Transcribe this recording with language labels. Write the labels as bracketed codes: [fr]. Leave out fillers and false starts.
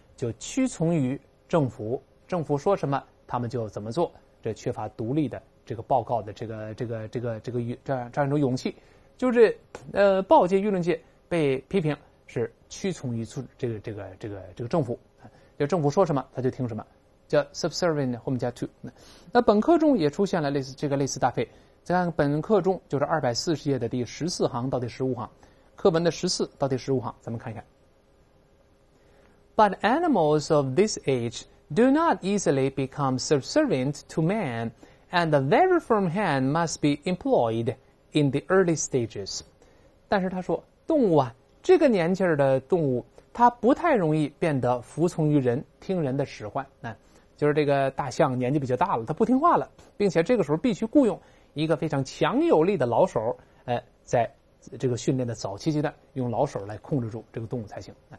[zh] 就屈从于政府，政府说什么他们就怎么做，这缺乏独立的这个报告的这个这样一种勇气，就是报界、舆论界被批评是屈从于这个政府，就政府说什么他就听什么，叫 subservient 后面加 to。那本课中也出现了类似这个类似搭配，再看本课中就是240页的第14行到第15行，课文的14到第15行，咱们看一看。 [en] But animals of this age do not easily become subservient to man, and a very firm hand must be employed in the early stages. [zh] 但是他说动物啊，这个年纪的动物它不太容易变得服从于人、听人的使唤，那就是这个大象年纪比较大了，它不听话了，并且这个时候必须雇佣一个非常强有力的老手，在这个训练的早期阶段用老手来控制住这个动物才行。